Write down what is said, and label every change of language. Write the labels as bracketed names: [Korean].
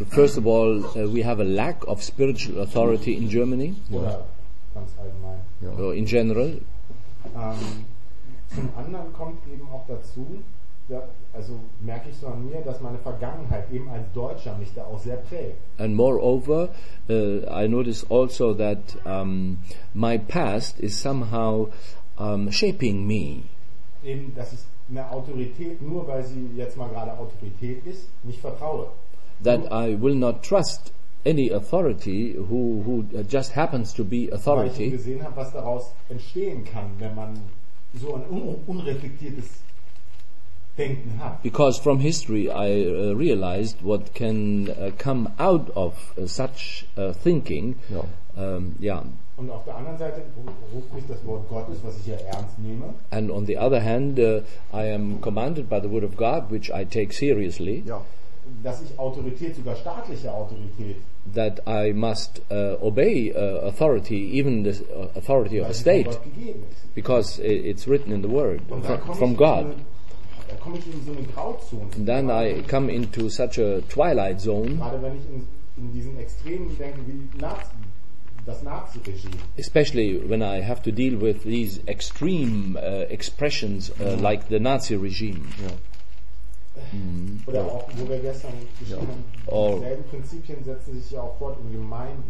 [English] First of all, we have a lack of spiritual authority in Germany. [German] Oder ganz allgemein. [English] Yeah. So in general. [German] Zum anderen kommt eben auch dazu, ja, also merke ich so an mir, dass meine Vergangenheit eben als Deutscher mich da auch sehr prägt. [English] And moreover, I notice also that my past is somehow shaping me. [German] Eben, dass ich eine Autorität, nur weil sie jetzt mal gerade Autorität ist, nicht vertraue. [English] That I will not trust any authority who just happens to be authority. [German] Weil ich gesehen habe, was daraus entstehen kann, wenn man so ein unreflektiertes Denken hat. [English] Because from history I realized what can come out of such thinking. [German] Ja. Und auf der anderen Seite ruft mich das Wort Gottes, was ich ja ernst nehme. [English] And on the other hand, I am commanded by the word of God, which I take seriously. [German] Ja. Dass ich Autorität, sogar staatliche Autorität. [English] That I must obey authority, even the authority of a state. Because it's written in the word, from God. [German] Da komme ich in so eine Grauzone. [English] And then I come into such a twilight zone. [German] Gerade wenn ich in diesen extremen Denken wie Nazis. Das Nazi-Regime. [English] Especially when I have to deal with these extreme expressions like the Nazi regime. Yeah. Mm-hmm. [German] Oder auch, wo wir gestern geschrieben haben, dieselben Prinzipien setzen sich ja auch fort in Gemeinden.